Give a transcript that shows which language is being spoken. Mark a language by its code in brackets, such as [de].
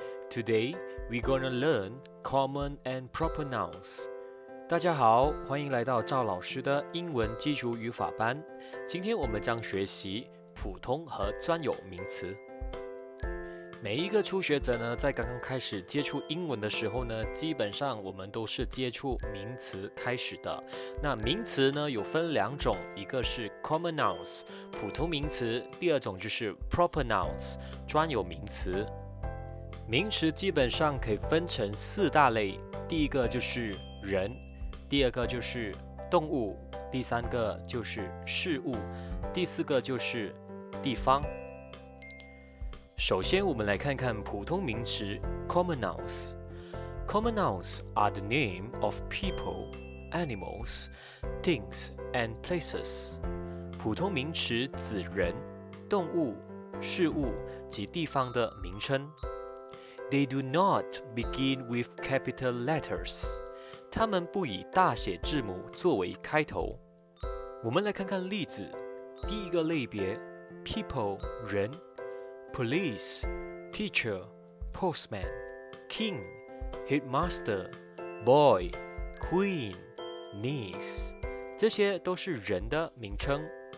[en] Today, we're gonna learn common and proper nouns. [zh] 大家好，欢迎来到赵老师的英文基础语法班。今天我们将学习普通和专有名词。每一个初学者呢，在刚刚开始接触英文的时候呢，基本上我们都是接触名词开始的。那名词呢，有分两种，一个是 common nouns 普通名词，第二种就是 proper nouns 专有名词。名词基本上可以分成四大类，第一个就是人，第二个就是动物，第三个就是事物，第四个就是地方。首先我们来看看普通名词 common nouns。 [en] Common nouns are the name of people, animals, things and places. [zh] 普通名词指人、动物、事物及地方的名称。 [en] They do not begin with capital letters. [zh] 他们不以大写字母作为开头。我们来看看例子。第一个类别 people 人， [en] Police, teacher, postman, king, headmaster, boy, queen, niece, [zh] 这些都是人的名称。